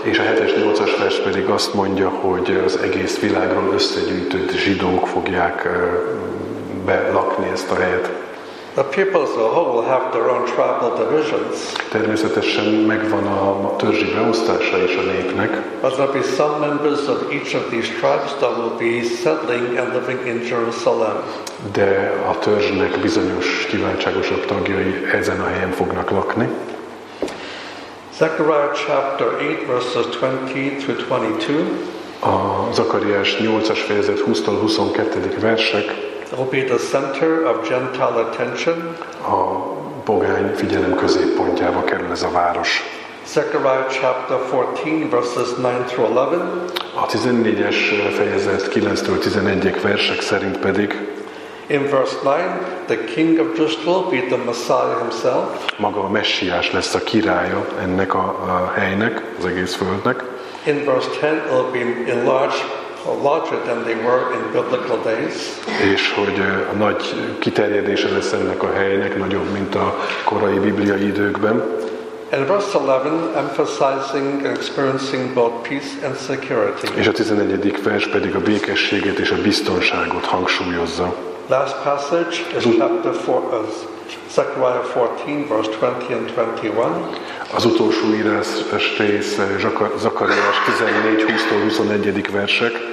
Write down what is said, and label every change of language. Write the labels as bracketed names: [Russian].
[Hungarian] És a 7-es, 8-as vers pedig azt mondja, hogy az egész világról összegyűjtött zsidók fogják belakni ezt a helyet. [English] The peoples of Hull will have their own tribal divisions. [Hungarian] Természetesen megvan a törzsi beosztása is a népnek. [English] But there'll be some members of each of these tribes that will be settling and living in Jerusalem. [Hungarian] De a törzsnek bizonyos kiváltságosabb tagjai ezen a helyen fognak lakni. [English] Zechariah chapter 8 verses 20 through 22. [Hungarian] A Zakariás 8-as fejezet 20-tól 22. versek. [English] Will be the center of Gentile attention. [Hungarian] A pogány figyelem középpontjába kerül ez a város. [English] Zechariah chapter 14 verses 9 through 11. [Hungarian] A 14-es fejezet 9-től 11-ig versek szerint pedig. [English] In verse 9, the king of Israel will be the Messiah himself. [Hungarian] Maga a Messiás lesz a királya ennek a helynek, az egész földnek. [English] In verse 10, it will be enlarged. Larger than they were in biblical days. [Hungarian] És hogy a nagy kiterjedése lesz ennek a helynek, nagyobb, mint a korai bibliai időkben. [English] And verse 11, emphasizing experiencing both peace and security. [Hungarian] És a 11. vers pedig a békességet és a biztonságot hangsúlyozza. [English] Last passage is chapter 4, Zechariah 14, verse 20 and 21. [Hungarian] Az utolsó írás rész Zakariás 14:20-tól 21. versek.